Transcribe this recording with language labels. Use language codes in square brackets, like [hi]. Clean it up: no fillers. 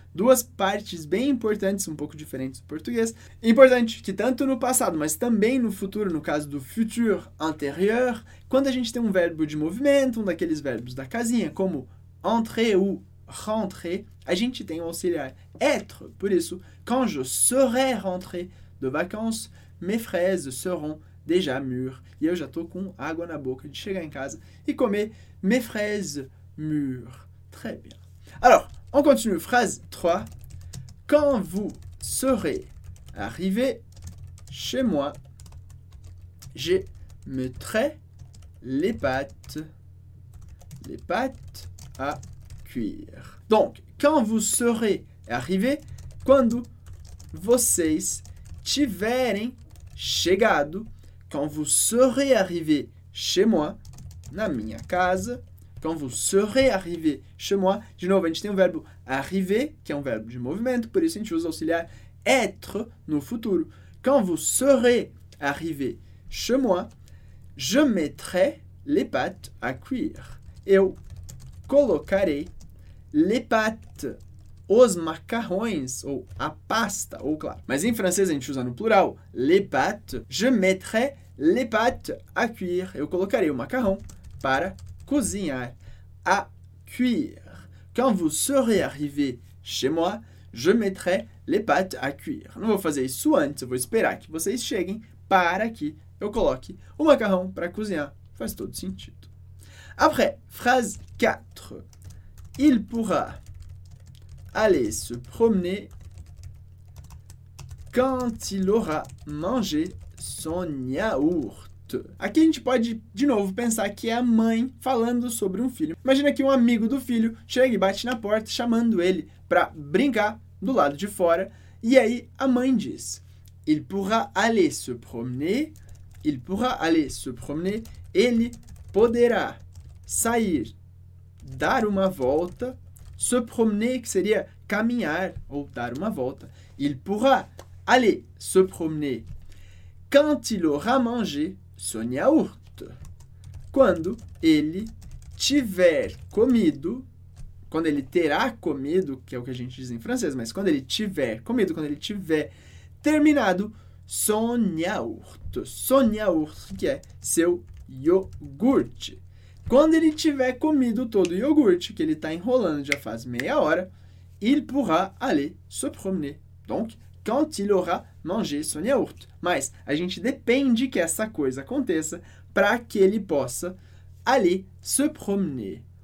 [pt] Duas partes bem importantes, um pouco diferentes do português. Importante que tanto no passado, mas também no futuro, no caso do futur antérieur, quando a gente tem um verbo de movimento, um daqueles verbos da casinha, como entrer ou rentrer, a gente tem o auxiliar être. Por isso, [fr] quand je serai rentré de vacances, mes fraises seront déjà mûres. [pt] E eu já estou com água na boca de chegar em casa e comer [fr] mes fraises mûres. Très bien. Alors, on continue, phrase 3. Quand vous serez arrivé chez moi, je mettrai les pâtes à cuire. Donc, quand vous serez arrivé, [pt] quando vocês tiverem chegado, [fr] quand vous serez arrivé chez moi, [pt] na minha casa, quand vous serez arrivé chez moi, de novo, a gente tem o verbo arriver, que é um verbo de movimento, por isso a gente usa o auxiliar être no futuro. [fr] Quand vous serez arrivé chez moi, je mettrai les pâtes à cuire. [pt] Eu colocarei [fr] les pâtes, [pt] os macarrões, ou a pasta, ou claro. Mas em francês a gente usa no plural [fr] les pâtes. Je mettrai les pâtes à cuire. [pt] Eu colocarei o macarrão para cozinhar, à cuire. [fr] Quand vous serez arrivé chez moi, je mettrai les pâtes à cuire. [pt] Não vou fazer isso antes, eu vou esperar que vocês cheguem para que eu coloque o macarrão para cozinhar. Faz todo sentido. [fr] Après, phrase 4. Il pourra aller se promener quand il aura mangé son yaourt. [pt] Aqui a gente pode, de novo, pensar que é a mãe falando sobre um filho. Imagina que um amigo do filho chega e bate na porta chamando ele para brincar do lado de fora. E aí a mãe diz, [fr] il pourra aller se promener, [pt] il pourra aller [fr] se promener, [pt] ele poderá sair, dar uma volta, se promener, que seria caminhar ou dar uma volta, il pourra aller se promener [fr] quand il aura mangé son yaourt, [pt] quando ele tiver comido, quando ele terá comido, que é o que a gente diz em francês, mas quando ele tiver comido, quando ele tiver terminado, [fr] son yaourt, [pt] que é seu iogurte. Quando ele tiver comido todo o iogurte, que ele está enrolando já faz meia hora, [fr] il pourra aller se promener. Donc, quand il aura mangé son yaourt. [pt] Mas a gente depende que essa coisa aconteça para que ele possa [fr] aller se promener.